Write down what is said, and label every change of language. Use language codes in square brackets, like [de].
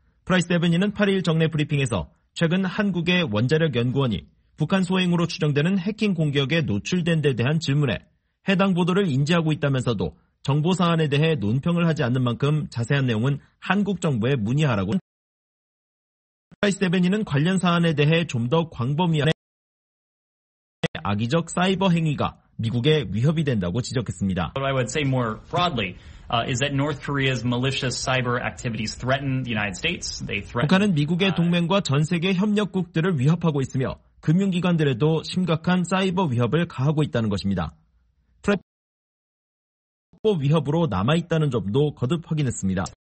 [ko] 프라이스 대변인은 8일 정례 브리핑에서 최근 한국의 원자력연구원이 북한 소행으로 추정되는 해킹 공격에 노출된 데 대한 질문에 해당 보도를 인지하고 있다면서도 정보 사안에 대해 논평을 하지 않는 만큼 자세한 내용은 한국 정부에 문의하라고 프라이스 대변인은 관련 사안에 대해 좀 더 광범위한 악의적 사이버 행위가 미국에 위협이 된다고 지적했습니다. [en] What I would say more broadly is that North Korea's malicious cyber activities threaten the United States. They threaten [ko] 북한은 미국의 동맹과 전 세계 협력국들을 위협하고 있으며 금융기관들에도 심각한 사이버 위협을 가하고 있다는 것입니다. 사이버 위협으로 남아있다는 점도 거듭 확인했습니다.